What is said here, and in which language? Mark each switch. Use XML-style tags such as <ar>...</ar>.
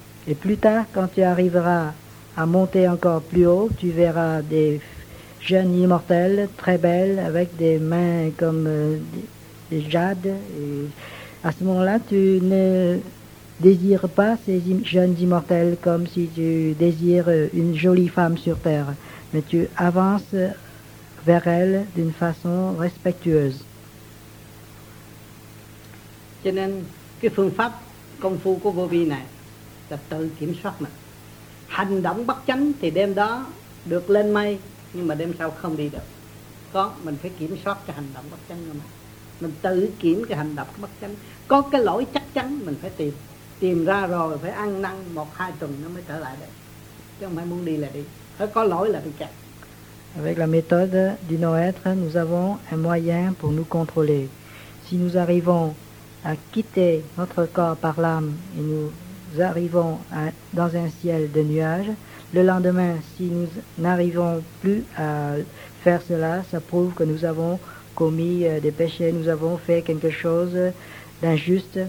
<fr>Et plus tard, quand tu arriveras à monter encore plus haut, tu verras des jeunes immortelles, très belles, avec des mains comme des jades. Et à ce moment-là, tu ne désires pas ces jeunes immortelles comme si tu désires une jolie femme sur Terre, mais tu avances vers elle d'une façon respectueuse.</fr> <vi>Cho nên cái phương pháp công phu của vô vi này là tự kiểm soát mình. Hành động bất chánh thì đêm đó được lên mây, nhưng mà đêm sau không đi được. Có, mình phải kiểm soát cái hành động bất chánh của mình. Mình tự kiểm cái hành động bất chánh. Có cái lỗi chắc chắn mình phải tìm. Tìm ra rồi phải ăn năn một hai tuần nó mới trở lại được. Chứ không phải muốn đi là đi. Phải có lỗi là bị chặt.</vi> <fr>Avec la méthode du non-être, nous avons un moyen pour nous contrôler. Si nous arrivons à quitter notre corps par l'âme et nous arrivons dans un ciel de nuages, le lendemain, si nous n'arrivons plus à faire cela, ça prouve que nous avons commis des péchés, nous avons fait quelque chose d'injuste.</fr>